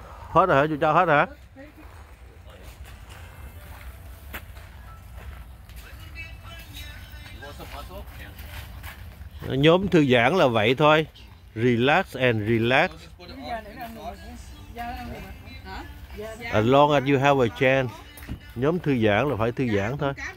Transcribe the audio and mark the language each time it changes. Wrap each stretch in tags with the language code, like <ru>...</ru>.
<vi>Hết rồi hả? Chú cho hết rồi hả? Nhóm thư giãn là vậy thôi.</vi> <en>Relax and relax. As long as you have a chance.</en> <vi>Nhóm thư giãn là phải thư giãn thôi.</vi>